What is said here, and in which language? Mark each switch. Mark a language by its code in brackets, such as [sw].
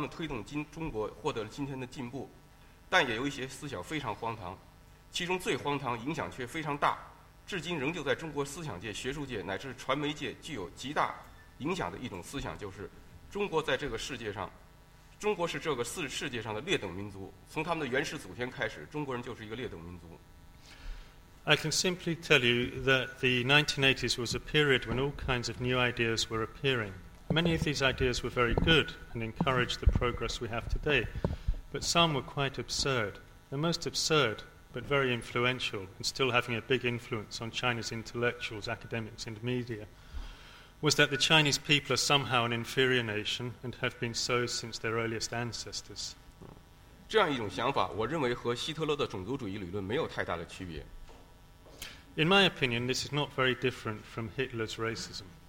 [zh] 我只是简单地告诉你们，1980年代的中国是各种新思想大量涌现的时代，这里有很多新思想是非常好的，他们推动中国获得了今天的进步。但也有一些思想非常荒唐，其中最荒唐、影响却非常大，至今仍旧在中国思想界、学术界乃至传媒界具有极大影响的一种思想，就是中国在这个世界上，中国是这个世界上的劣等民族。从他们的原始祖先开始，中国人就是一个劣等民族。 [en] I can simply tell you that the 1980s was a period when all kinds of new ideas were appearing. Many of these ideas were very good and encouraged the progress we have today. But some were quite absurd, the most absurd, but very influential, and still having a big influence on China's intellectuals, academics, and media, was that the Chinese people are somehow an inferior nation and have been so since their earliest ancestors. [zh] 这样一种想法，我认为和希特勒的种族主义理论没有太大的区别。 [en] In my opinion, this is not very different from Hitler's racism.